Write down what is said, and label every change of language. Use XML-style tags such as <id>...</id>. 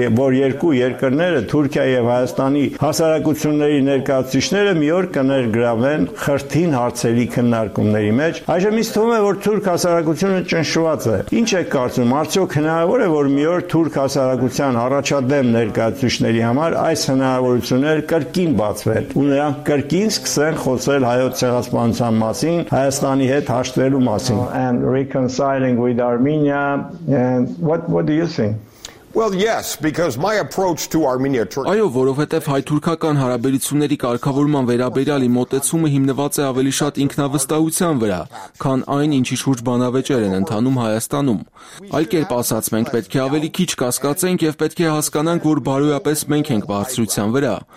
<hy>որ երկու երկրները, Թուրքիա և Հայաստանի հասարակությունների ներկայացուցիչները մի օր կներգրավեն խրթին հարցերի քննարկումների մեջ։ Այժմ ինձ թվում է, որ թուրք հասարակությունը ճնշված է։ Ինչ է կարծում, արդյոք հնարավոր է, որ մի օր թուրք հասարակության առաջադեմ ներկայացուցիչների համար այս հնարավորությունները կրկին բացվեն ու նրանք կրկին սկսեն խոսել հայոց ցեղասպանության մասին, Հայաստանի հետ հաշտվելու մասին։</hy> <en>And reconciling with Armenia, what do you think? Well, yes, because my approach to Armenia Turkey.</en> <hy>Այո, որովհետև հայ-թուրքական հարաբերությունների կարգավորման վերաբերյալ իմ մոտեցումը հիմնված է ավելի շատ ինքնավստահության վրա, քան այն, ինչի շուրջ բանավեճեր են ընթանում Հայաստանում։ Այլ կերպ ասած, մենք պետք է ավելի քիչ կասկածենք եւ պետք է հասկանանք, որ բարոյապես մենք ենք բարձրության վրա։</hy>